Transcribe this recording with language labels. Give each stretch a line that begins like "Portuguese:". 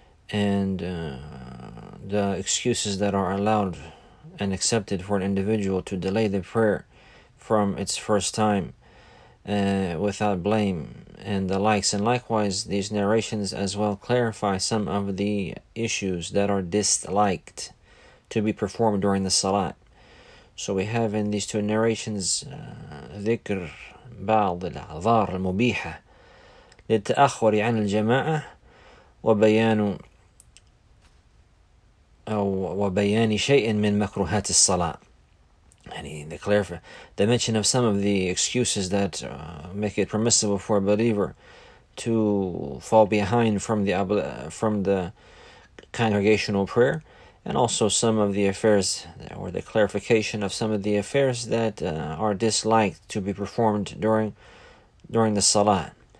English: And the excuses that are allowed and accepted for an individual to delay the prayer from its first time without blame and the likes. And likewise, these narrations as well clarify some of the issues that are disliked to be performed during the Salat. So we have in these two narrations,
Arabic: ذكر بعض الأعذار المبيحة للتأخر عن الجماعة وبيان أو وبيان شيء من مكروهات الصلاة.
English: يعني the mention of some of the excuses that make it permissible for a believer to fall behind from the congregational prayer, and also some of the affairs or the clarification of some of the affairs that are disliked to be performed during the salah.